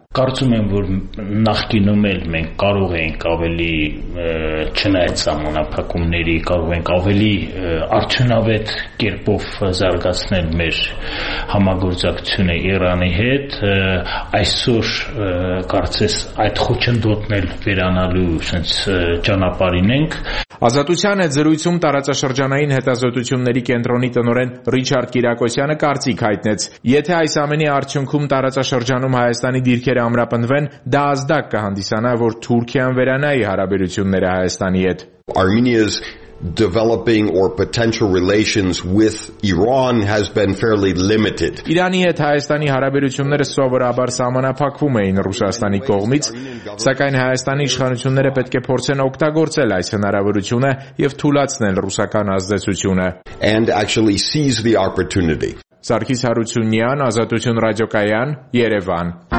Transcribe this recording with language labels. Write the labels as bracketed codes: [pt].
[hy] Կարծում եմ, որ նախկինում էլ մենք կարող ենք ավելի չնայած ժամանակակումների կարող ենք ավելի արդյունավետ կերպով զարգացնել մեր համագործակցությունը Իրանի հետ, այսօր կարծես այդ խոչընդոտն էլ վերանալու ցած ճանապարհին ենք։ Ազատության այդ զրույցում տարածաշրջանային հետազոտությունների կենտրոնի տնօրեն Ռիչարդ Կիրակոսյանը կարծիք հայտնեց. Եթե այս ամենի արդյունքում տարածաշրջանում Հայաստանի դիրքերը ամրապնդվեն, դա ազդակ կհանդիսանա, որ Թուրքիան վերանայի հարաբերությունները Հայաստանի հետ։ [en] Armenia's developing or potential relations with Iran has been fairly limited. [hy] Իրանի հետ Հայաստանի հարաբերությունները սովորաբար սահմանափակվում էին Ռուսաստանի կողմից, սակայն Հայաստանի իշխանությունները պետք է փորձեն օգտագործել այս հնարավորությունը եւ թույլատնել ռուսական ազդեցությունը. [en] And actually seize the opportunity. [hy] Սարգիս Հարությունյան, Ազատություն ռադիոկայան, Երևան։